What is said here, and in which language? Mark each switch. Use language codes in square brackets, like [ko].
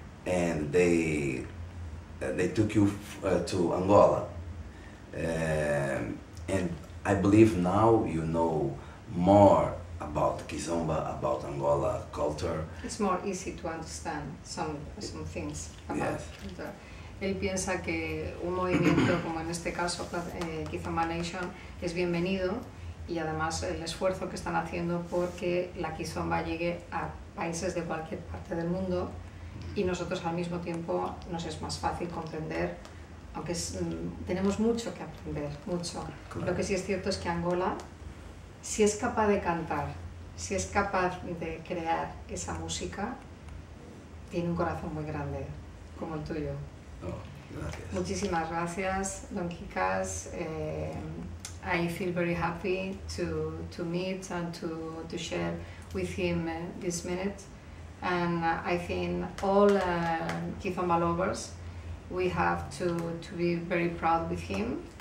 [en] And they took you to Angola. And I believe now you know more about Kizomba, about Angola culture. It's more easy to understand some things about, yes. [es] Él piensa que un movimiento como en este caso Kizomba Nation es bienvenido y además el esfuerzo que están haciendo porque la Kizomba llegue a países de cualquier parte del mundo y nosotros al mismo tiempo nos es más fácil comprender, aunque tenemos mucho que aprender, mucho. Claro. Lo que sí es cierto es que Angola, si es capaz de cantar, si es capaz de crear esa música, tiene un corazón muy grande, como el tuyo. Gracias. Muchísimas gracias, Don Kikas. [en] I feel very happy to meet and to share with him this minute. And I think all Kizomba lovers, we have to be very proud with him.